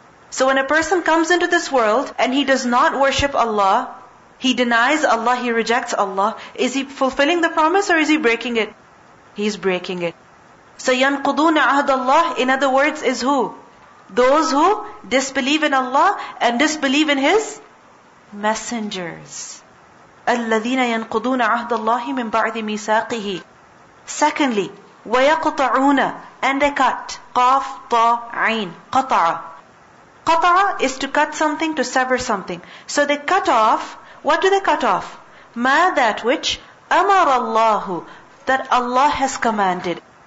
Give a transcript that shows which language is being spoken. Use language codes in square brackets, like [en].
[en] So when a person comes into this world and he does not worship Allah, he denies Allah, he rejects Allah, is he fulfilling the promise or is he breaking it? He's breaking it. So [ar] يَنْقُضُونَ عَهْدَ اللَّهِ, [en] in other words, is who? Those who disbelieve in Allah and disbelieve in His messengers. [ar] الذين ينقضون عهد الله من بعد ميثاقه. [en] Secondly, ويقطعون, and they cut. [ar] قاف طا عين. قطع. [en] قطع is to cut something, to sever something. So they cut off. What do they cut off? ما that which [ar] أمر الله, [en] that Allah has commanded.